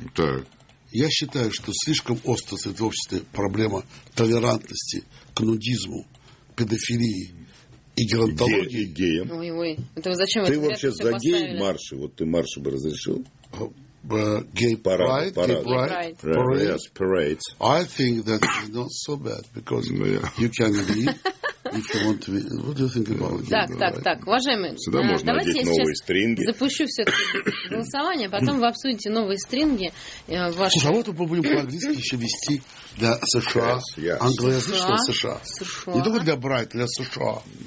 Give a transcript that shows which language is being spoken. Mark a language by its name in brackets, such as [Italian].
[Russian] Так. Я считаю, что слишком остро в обществе проблема толерантности к нудизму, педофилии и геронтологии. Геям. Ой-ой. Зачем ты вообще за гей-марши? Вот ты марши бы разрешил? Гей-парад. Парад. [English] I think that is not so bad, because you can be... If you want to be, what do you think about it? [Russian] Так, уважаемые, давайте я сейчас запущу все-таки голосование, потом вы обсудите новые стринги. Ваши. Слушай, а вот мы будем по-английски еще вести для США, англоязычного США. Не только для Брайт, для США.